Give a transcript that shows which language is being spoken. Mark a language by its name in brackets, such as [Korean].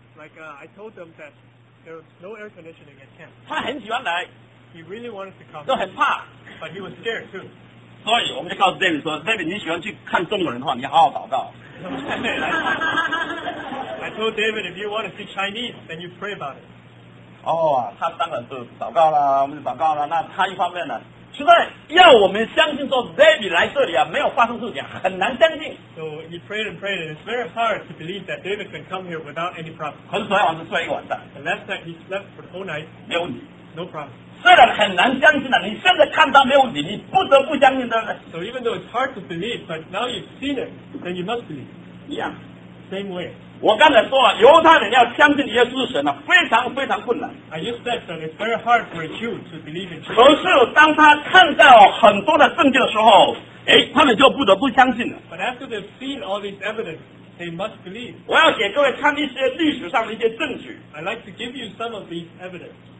[English] Like, I told them that there was no air conditioning at camp. [Chinese] 他很喜欢来。 [English] He really wanted to come. [Chinese] 又很怕。 [English] But he was scared too. [Chinese] 所以我们就告诉 David 说 ，David， 你喜欢去看中国人的话，你要好好祷告。 [English] I told David, if you want to see Chinese, then you pray about it. [Chinese] 哦、oh, ，他当然是祷告啦，我们就祷告啦。那他一方面呢？实在要我们相信说 David 来这里啊，没有发生事情，很难相信。 [English] So he prayed and prayed, and it's very hard to believe that David can come here without any problem. [Chinese] 可是昨天晚上睡了一个晚上。 [English] And last night he slept for the whole night. [Chinese] 没有问题。 [English] No problem. [Chinese] 虽然很难相信的、啊，你现在看到没有问题，你不得不相信的。 [English] So even though it's hard to believe, but now you've seen it, then you must believe. Yeah. Same way. [Chinese] 我刚才说了，犹太人要相信耶稣是神、啊、非常非常困难。 [English] I just said that it's very hard for a Jew to believe in Jesus. [Chinese] 可是当他看到很多的证据的时候，哎，他们就不得不相信了。 [English] But after they've seen all these evidence, they must believe. [Chinese] 我要给各位看一些历史上的一些证据。 [English] I'd like to give you some of these evidence.